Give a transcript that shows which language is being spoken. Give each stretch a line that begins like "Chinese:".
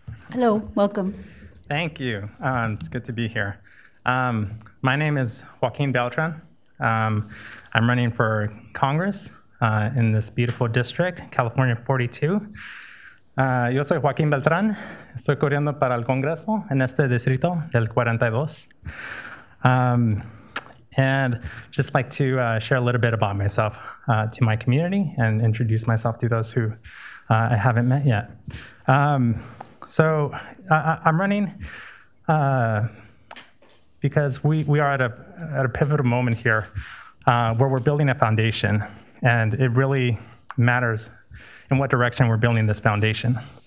English: Hello, welcome. Thank you. It's good to be here. My name is Joaquin Beltran. I'm running for Congress in this beautiful district, California 42.
Spanish: Yo soy Joaquin Beltran. Estoy corriendo para el Congreso en este distrito del 42.
English: And just like to share a little bit about myself to my community and introduce myself to those who I haven't met yet. So I'm running because we are at a pivotal moment here where we're building a foundation, and it really matters in what direction we're building this foundation.